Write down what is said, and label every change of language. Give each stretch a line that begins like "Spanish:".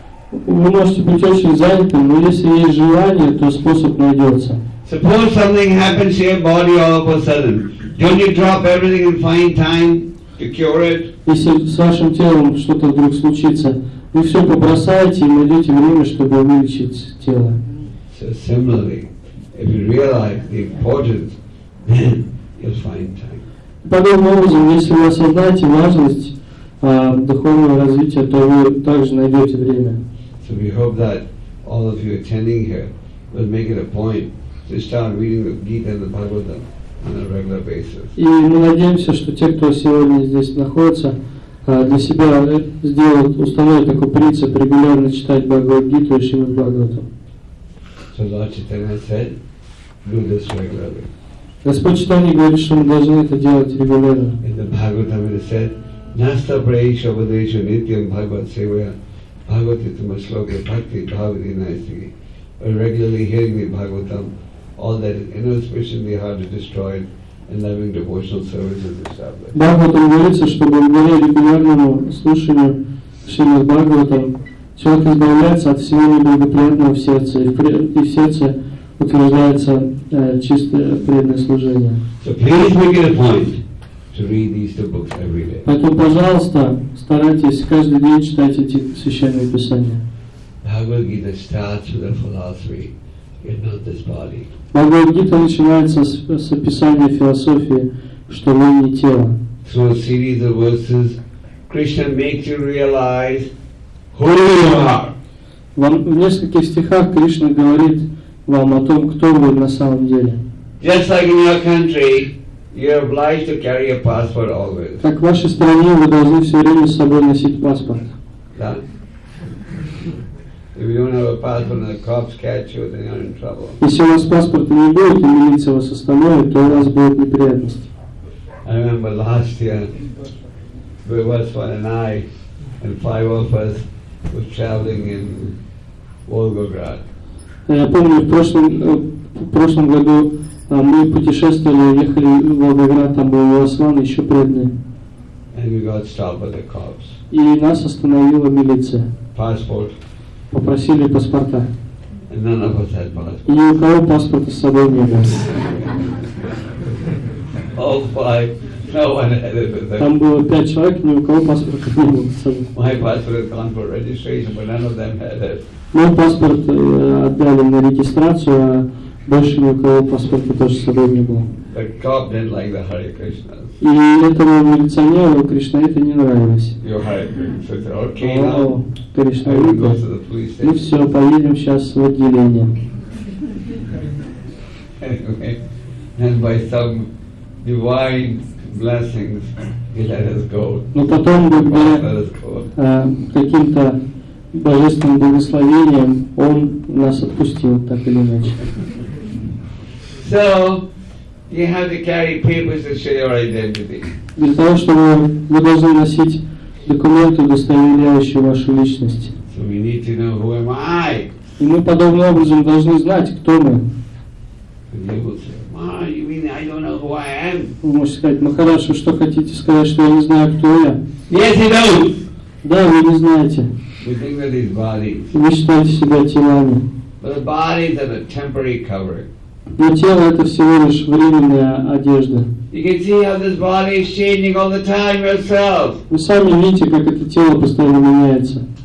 Russian: Вы можете быть очень занятым, но если есть желание, то способ найдется.
English: Suppose something happens to your body all of a sudden. Don't you drop everything and find time to cure it?
Russian: Если с вашим телом что-то вдруг случится, вы все побросаете и найдете время, чтобы вылечить тело.
English: So similarly, if you realize the importance, then you'll find time.
Russian: Подобным образом, если вы осознаете важность духовного развития, то вы также найдете время.
English: So we hope that all of you attending here will make it a point to start reading the Gita and the Bhagavatam on a regular basis.
Russian: И мы надеемся, что те, кто сегодня здесь находится, для себя сделают, установят такой принцип регулярно читать Бхагавад Гиту и Шримад Бхагаватам.
English: So Lord Chaitanya said, do this regularly.
Russian: Господь Читание говорит, что мы должны это делать регулярно.
English: In the Bhagavatam it said,
Sanskrit: Nasta Praesha Vadesha Nityam Bhagavat Sevaya Bhagavatitama Shloka Bhakti Bhavati Naisi.
English: By regularly hearing the Bhagavatam, all that is inauspicious in the heart is destroyed and loving devotional service is established.
Russian: Bhagavatam говорится, что благодаря регулярному слушанию Шримад Бхагаватам человек избавляется от всего неблагоприятного в сердце, и в сердце утверждается чистое преданное служение.
English: So please make it a point to read these two books every day.
Russian: Поэтому, пожалуйста, старайтесь каждый день читать эти священные писания.
English: Bhagavad-gita starts with the philosophy, you're not this body.
Russian: Bhagavad-gita начинается с описания философии, что вы не тело.
English: Through a series of verses, Krishna makes you realize who you are.
Russian: В нескольких стихах Кришна говорит вам о том, кто вы на самом деле.
English: Just like in your country, you're obliged to carry a passport always.
Russian: Как в вашей стране вы должны все время с собой носить паспорт. Да?
English: If you don't have a passport and the cops catch you, then you're in trouble.
Russian: Если у вас паспорта не будет и милиция вас остановит, то у вас будут неприятности.
English: I remember last year, we was one and I and five of us was traveling in Volgograd.
Russian: Я помню, в прошлом году мы путешествовали, ехали в Волгоград, там был Ослан, еще преданный.
English: And we got stopped by the cops.
Russian: И нас остановила милиция.
English: Passport.
Russian: Попросили паспорта.
English: And none of us had passport. И ни у кого паспорта с собой не было. All five. No one had it with them.
Russian: Там было 5 человек, ни у кого паспорта не было с собой.
English: My passport had gone for registration, but none of them had it.
Russian: Мой паспорт отдали на регистрацию, а больше ни у кого паспорта тоже с собой не было.
English: The cop didn't like the Hare Krishnas.
Russian: И этому милиционеру Кришна это не нравилось.
English: Your Hare Krishna. Okay, now.
Russian: Кришна,
English: we go to the police station.
Russian: Мы все, поедем сейчас в отделение.
English: Anyway, and by some divine blessings, he let us go.
Russian: Но потом, благодаря каким-то божественным благословениям, он нас отпустил, так или иначе.
English: So, you have to carry papers to show your identity.
Russian: Для того, чтобы вы должны носить документы, удостоверяющие вашу личность.
English: So we need to know who am I.
Russian: И мы подобным образом должны знать, кто мы. Вы можете сказать: Махарадж, вы что хотите сказать, что я не знаю, кто я?
English: Yes, you know.
Russian: Да, вы не знаете.
English: We think that these bodies.
Russian: Вы считаете себя телами.
English: But the bodies are a temporary covering.
Russian: Но тело это всего лишь временная одежда.
English: You can see how this body is changing all the time yourself.
Russian: Вы сами видите, как это тело постоянно меняется.